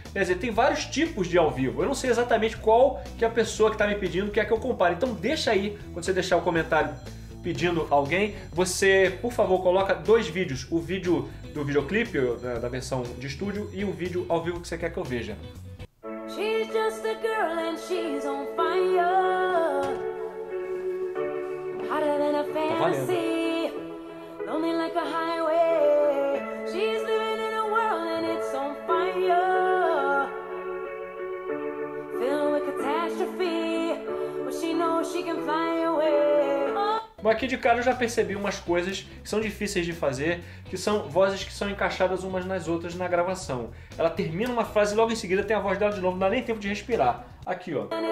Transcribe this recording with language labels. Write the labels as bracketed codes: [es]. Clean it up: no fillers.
[pt] Quer dizer, tem vários tipos de ao vivo. Eu não sei exatamente qual que a pessoa que está me pedindo quer que eu compare. Então deixa aí, quando você deixar o comentário pedindo alguém, você, por favor, coloca dois vídeos. O vídeo do videoclipe, da versão de estúdio, e o vídeo ao vivo que você quer que eu veja. [en] She's just a girl and she's on fire. Hotter than a fantasy. Lonely like a highway. She's living in a world and it's on fire. Filled with catastrophe. But she knows she can fly away. [pt] Bom, aqui de cara eu já percebi umas coisas que são difíceis de fazer, que são vozes que são encaixadas umas nas outras na gravação. Ela termina uma frase e logo em seguida tem a voz dela de novo, não dá nem tempo de respirar. Aqui, ó.